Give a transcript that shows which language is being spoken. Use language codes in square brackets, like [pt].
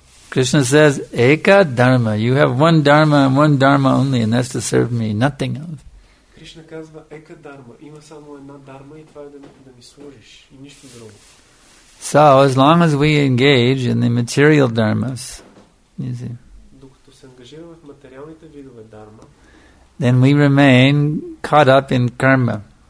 [en] Krishna says, Eka Dharma, you have one Dharma and one Dharma only, and that's to serve me, nothing else. [bg] Krishna казва, Eka Dharma, има само една Dharma, и това е да ми служиш, и нищо друго. [en] So, as long as we engage in the material Dharmas, you see, [bg] докато се ангажираме в материалните видове Dharma, [en] then we remain caught up in karma.